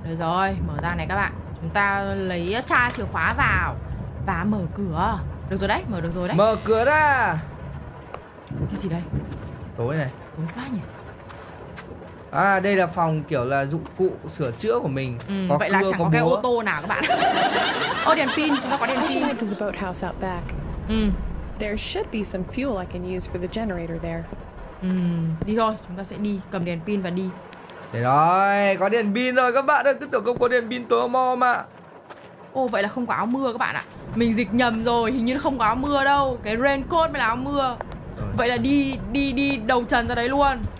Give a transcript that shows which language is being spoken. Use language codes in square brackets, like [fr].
[vi] Được rồi, mở ra này các bạn. Chúng ta lấy tra chìa khóa vào và mở cửa. Được rồi đấy, mở được rồi đấy. Mở cửa ra. Cái gì đây? Tối này. Tối quá nhỉ. À đây là phòng kiểu là dụng cụ sửa chữa của mình. Ừ, vậy là chẳng có cái ô tô nào các bạn. Ô đèn pin, chúng ta có đèn pin. [en] To the boathouse out back. Ừ. There should be some fuel I can use for the generator there. [vi] Ừ, đi thôi, chúng ta sẽ đi cầm đèn pin và đi. Đấy rồi, có đèn pin rồi các bạn ơi, cứ tưởng không có đèn pin tối om ạ. Ồ vậy là không có áo mưa các bạn ạ. Mình dịch nhầm rồi, hình như không có áo mưa đâu, cái raincoat mới là áo mưa. Rồi. Vậy là đi đầu trần ra đấy luôn.